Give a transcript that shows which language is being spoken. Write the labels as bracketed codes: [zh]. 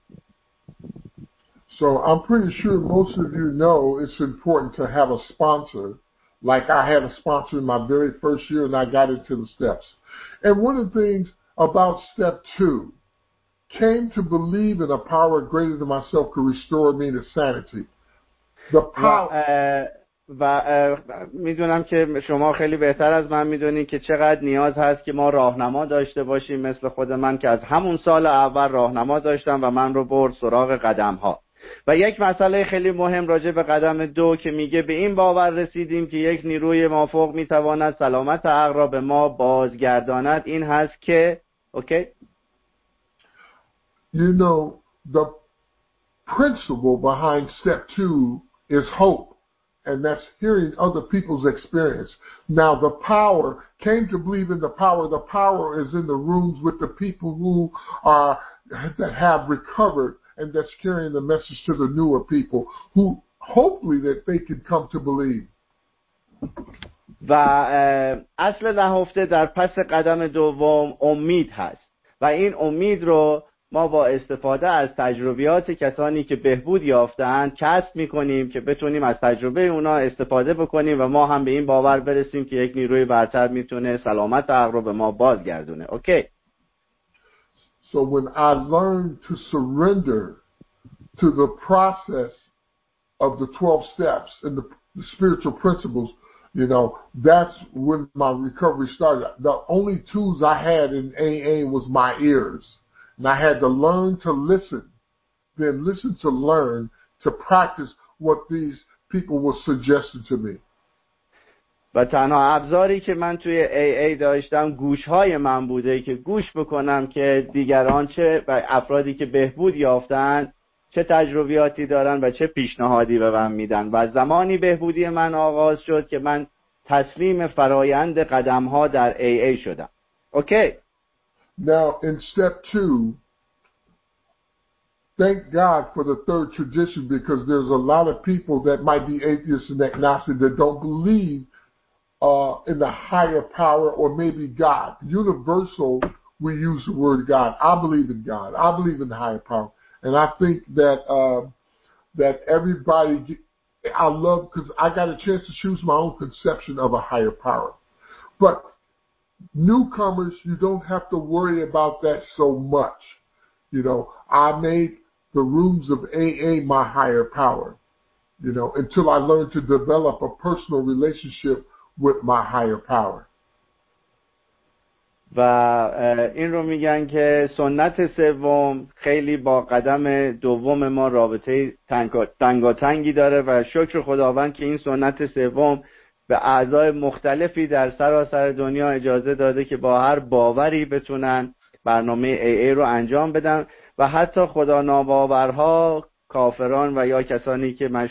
[en] Okay? So I'm pretty sure most of you know it's important to have a sponsor. Like I had a sponsor in my very first year and I got into the steps. And one of the things about step two, came to believe in a power greater than myself could restore me to sanity. The power. [fa] و میدونم که شما خیلی بهتر از من میدونید که چقدر نیاز هست که ما راهنما داشته باشیم، مثل خود من که از همون سال اول راهنما داشتم و من رو برد سراغ قدم ها. و یک مسئله خیلی مهم راجع به قدم دو که میگه به این باور رسیدیم که یک نیروی مافوق میتواند سلامت عقل را به ما بازگرداند این هست که اوکی؟ [en] The principle behind step two is hope, and that's hearing other people's experience. Now the power came to believe in the power. The power is in the rooms with the people who are that have recovered and that's carrying the message to the newer people who hopefully that they can come to believe. [fa] و اصل نهفته در پس قدم دوم امید هست و این امید رو ما با استفاده از تجربیات کسانی که بهبود یافتند کسب می‌کنیم که بتونیم از تجربه اونا استفاده بکنیم و ما هم به این باور برسیم که یک نیروی برتر میتونه سلامت عقل رو به ما بازگردونه. [en] Okay. So when I learned to surrender to the process of the 12 steps and the spiritual principles, that's when my recovery started. The only tools I had in AA was my ears. And I had to learn to listen, then listen to learn, to practice what these people were suggesting to me. [fa] و تنها ابزاری که من توی AA داشتم گوشهای من بوده که گوش بکنم که دیگران چه و افرادی که بهبود یافتن چه تجربیاتی دارن و چه پیشنهادی به من میدن. و زمانی بهبودی من آغاز شد که من تسلیم فرایند قدمها در AA شدم. [en] Okay. Now, in step two, thank God for the third tradition, because there's a lot of people that might be atheists and agnostic that don't believe in the higher power or maybe God. Universal, we use the word God. I believe in God. I believe in the higher power. And I think that that everybody, I love, because I got a chance to choose my own conception of a higher power. But newcomers, you don't have to worry about that so much. You know, I made the rooms of AA my higher power, you know, until I learned to develop a personal relationship with my higher power. [fa] و این رو میگن که سنت سوم خیلی با قدم دوم ما رابطه تنگاتنگی داره و شکر خداوند که این سنت سوم به اعضای مختلفی در سراسر دنیا اجازه داده که با هر باوری بتونن برنامه AA رو انجام بدن و حتی خدا ناباورها، کافران و یا کسانی که